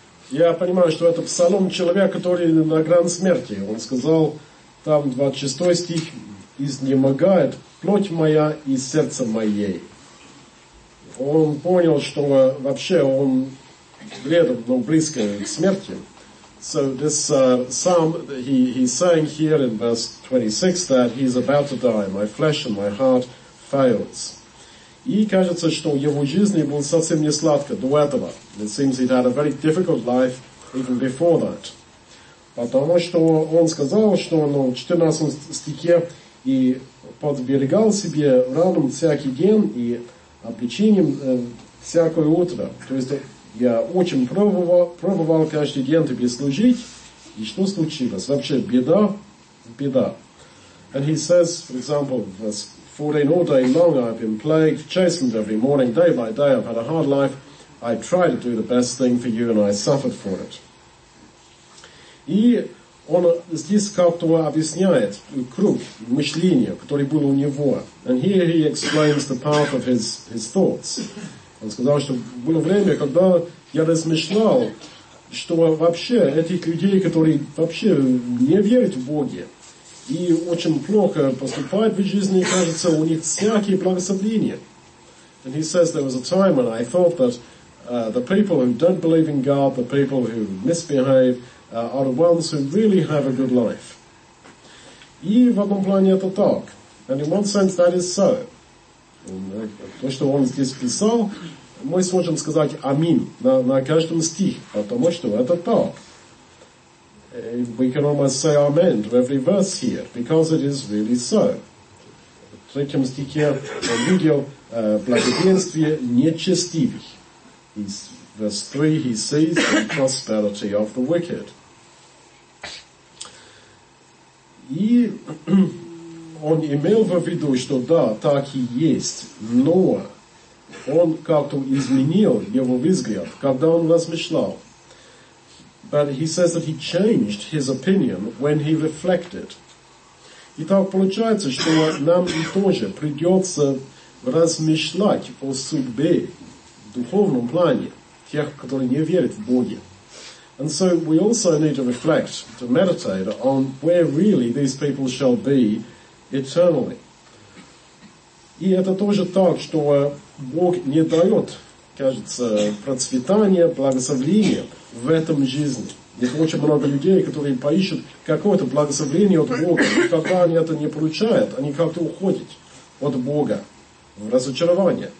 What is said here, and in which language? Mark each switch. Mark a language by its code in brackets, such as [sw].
[ru] Я понимаю, что это псалом человека, который на грани смерти. Он сказал там 26 стих: изнемогает плоть моя и сердце мое. Он понял, что вообще он рядом, но близко к смерти. [en] So this psalm he's saying here in verse 26 that he's about to die. My flesh and my heart fails. [ru] И кажется, что его жизнь была совсем не сладко до этого. [en] It seems he'd had a very difficult life even before that. [ru] Потому что он сказал, что он в 14 стихе и подберегал себе раном всякий день и обличением всякое утро. То есть я очень пробовал каждый день тебе служить. И что случилось? Вообще беда, беда. [en] And he says, for example, verse 14, all day long I've been plagued, chastened every morning, day by day I've had a hard life. I tried to do the best thing for you and I suffered for it. [ru] И он здесь как-то объясняет круг мышления, который был у него. [en] And here he explains the path of his thoughts. [ru] Он сказал, что было время, когда я размышлял, что вообще этих людей, которые вообще не верят в Бога, и очень плохо поступает в жизни, кажется, у них всякие благословения. [en] And he says there was a time when I thought that the people who don't believe in God, the people who misbehave, are the ones who really have a good life. [ru] И в одном плане это так. [en] And in one sense that is so. [ru] То, что он здесь писал, мы сможем сказать «Амин» на каждом стихе, потому что это так. [en] We can almost say amen to every verse here, because it is really so. [ru] В третьем стихе он видел благоденствие нечестивых. [en] Verse 3, he sees the prosperity of the wicked. [ru] И он имел в виду, что да, так и есть, но он как-то изменил его взгляд, когда он размышлял. [en] But he says that he changed his opinion when he reflected. [ru] Итак, получается, что нам и тоже придется размышлять о судьбе в духовном плане тех, которые не верят в Бога. [en] And so we also need to reflect, to meditate on where really these people shall be eternally. [ru] И это тоже так, что Бог не дает, кажется, процветания, благословения в этом жизни. Есть очень много людей, которые поищут какое-то благословение от Бога. И когда они это не получают, они как-то уходят от Бога в разочарование.